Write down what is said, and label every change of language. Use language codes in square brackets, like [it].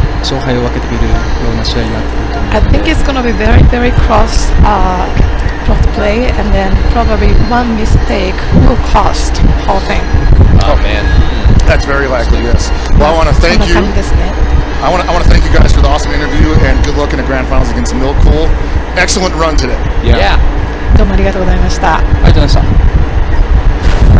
[ja] 勝敗を分けてくるような試合になっていると思います [en] 。I think it's going to be very, very cross, cross play, and then probably one mistake will cost the whole thing. Oh man, that's very likely. Yes. Well, I want to thank you. I want to thank you guys for the awesome interview and good luck in the grand finals against Milk Cool. Excellent run today. Yeah. [ja] どうもありがとうございました。ありがとうございました。